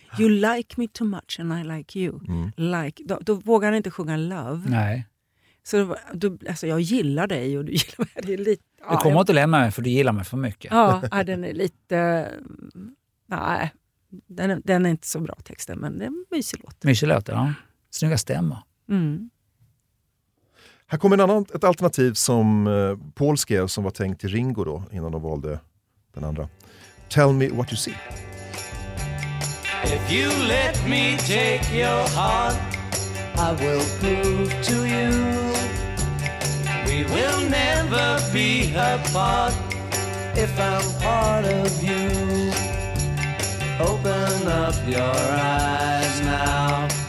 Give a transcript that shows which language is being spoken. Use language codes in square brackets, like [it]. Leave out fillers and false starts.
[en] You like me too much and I like you. Mm. [sv] Like, då vågar han inte sjunga love. Nej. Så då, alltså, jag gillar dig och du gillar mig. Det är lite, du kommer inte lämna mig för du gillar mig för mycket. Ja, den är lite... Nej, den är inte så bra texten, men det är en mysig låt. Mysig låt, ja. Snygga stämmer. Mm. Här kommer ett alternativ som Paul skrev som var tänkt till Ringo då, innan de valde den andra. [en] Tell me what you see. If you let me take your heart, I will prove to you. We we'll never be apart. If I'm part of you, open up your eyes now.